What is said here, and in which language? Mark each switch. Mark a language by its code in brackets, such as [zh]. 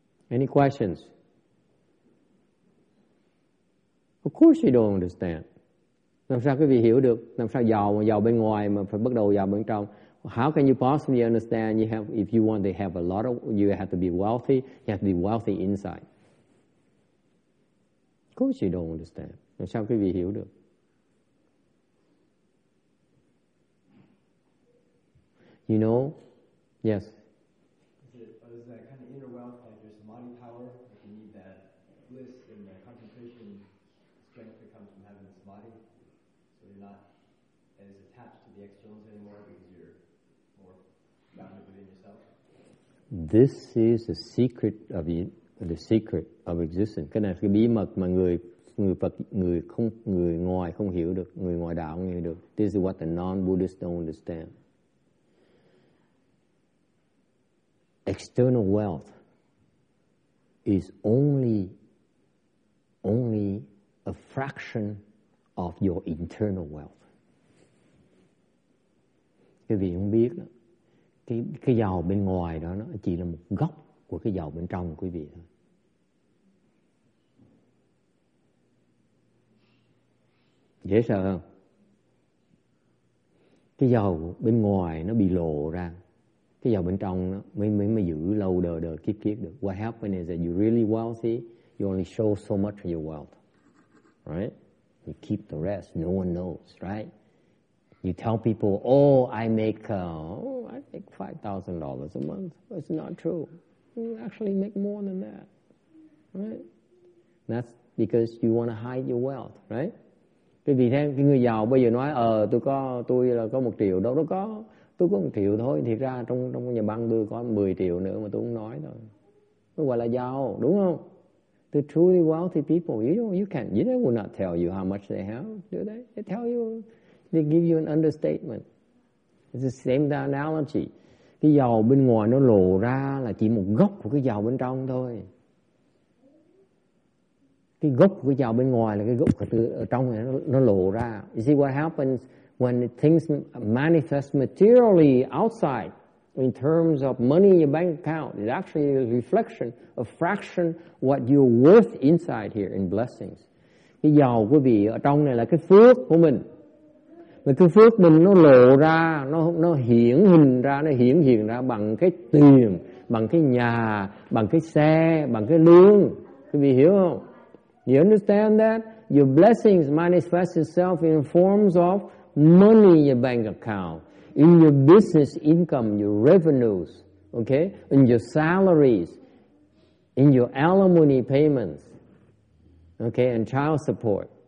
[en] Any questions? Of course you don't understand. [vi] Làm sao quý vị hiểu được? Làm sao giàu mà giàu bên ngoài mà phải bắt đầu giàu bên trong? [en] How can you possibly understand you have, if you want to have a lot of, you have to be wealthy, you have to be wealthy inside. Of course you don't understand. [vi] Làm sao quý vị hiểu được? [en] You know? Yes. Is that kind of inner wealth, like there's money power, if you need that bliss and that concentration strength to come from having this body, so you're not as attached to the externals anymore because you're more grounded within yourself? This is the secret of you. The secret of existence. [vi] Cái này là cái bí mật mà người ngoài không hiểu được, người ngoài đạo không hiểu được. [en] This is what the non-Buddhists don't understand. External wealth is only a fraction of your internal wealth. [vi] Quý vị không biết đó, cái giàu bên ngoài đó nó chỉ là một góc của cái giàu bên trong của quý vị thôi. Dễ sợ không? Cái giàu bên ngoài nó bị lộ ra, cái giàu bên trong nó mới giữ lâu đời đời kiếp kiếp được. [en] What happens is that you really wealthy, you only show so much of your wealth, right? You keep the rest, no one knows, right? You tell people, oh, I make $5,000 a month. It's not true. You actually make more than that, right? That's because you want to hide your wealth, right? [vi] Cái vì thế cái người giàu bây giờ nói tôi là có 1 triệu đâu đó, tôi có 1 triệu thôi, thiệt ra trong nhà băng tôi có 10 triệu nữa mà tôi không nói thôi, tôi gọi là giàu, đúng không? [en] The truly wealthy people, you will not tell you how much they have, do they? They tell you, they give you an understatement. It's the same analogy. [vi] Cái giàu bên ngoài nó lộ ra là chỉ một góc của cái giàu bên trong thôi. Cái gốc của giàu bên ngoài là cái gốc ở trong này nó lộ ra. [en] You see what happens when things manifest materially outside in terms of money in your bank account? It's actually a reflection, a fraction what you're worth inside here in blessings. [vi] Cái giàu quý vị ở trong này là cái phước của mình. Mà cái phước mình nó lộ ra, nó hiển hình ra, nó hiển hiện ra bằng cái tiền, bằng cái nhà, bằng cái xe, bằng cái lương. Quý vị hiểu không? [en] You understand that? Your blessings manifest itself in forms of money in your bank account, in your business income, your revenues, okay? In your salaries, in your alimony payments, okay? And child support.